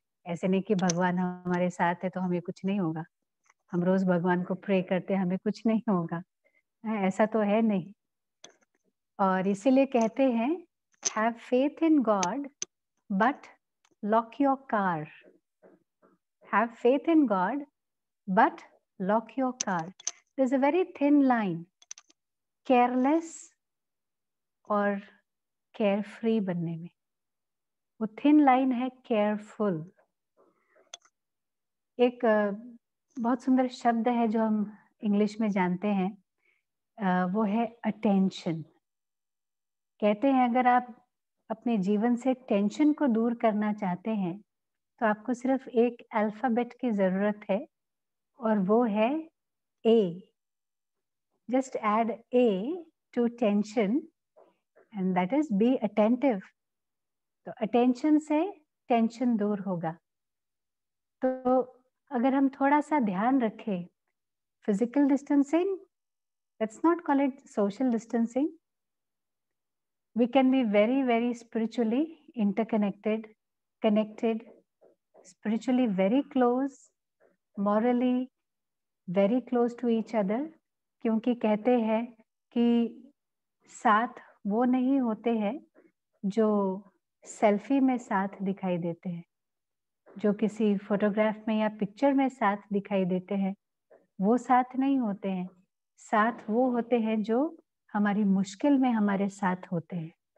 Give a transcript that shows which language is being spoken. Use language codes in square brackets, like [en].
[hi] ऐसे नहीं कि भगवान हमारे साथ है तो हमें कुछ नहीं होगा, हम रोज भगवान को प्रे करते हैं हमें कुछ नहीं होगा, ऐसा तो है नहीं. और इसीलिए कहते हैं [en] Have faith in God but lock your car. Have faith in God, but lock your car. There's a very thin line. Careless or carefree [hi] banne mein. Wo thin line hai careful. Ek bahut sundar shabd hai jo hum English mein jante hain. Wo hai attention. Kehte hain agar aap अपने जीवन से tension को दूर करना चाहते हैं तो आपको सिर्फ एक अल्फाबेट की जरूरत है, और वो है ए. [en] Just add A to tension and that is be attentive. [hi] तो अटेंशन से टेंशन दूर होगा. तो अगर हम थोड़ा सा ध्यान रखें, physical distancing, [en] Let's not call it social distancing, we can be very, very spiritually interconnected, connected, spiritually very close, morally very close to each other. [hi] क्योंकि कहते हैं कि साथ वो नहीं होते हैं जो सेल्फी में साथ दिखाई देते हैं, जो किसी फोटोग्राफ में या पिक्चर में साथ दिखाई देते हैं वो साथ नहीं होते हैं, साथ वो होते हैं जो हमारी मुश्किल में हमारे साथ होते हैं।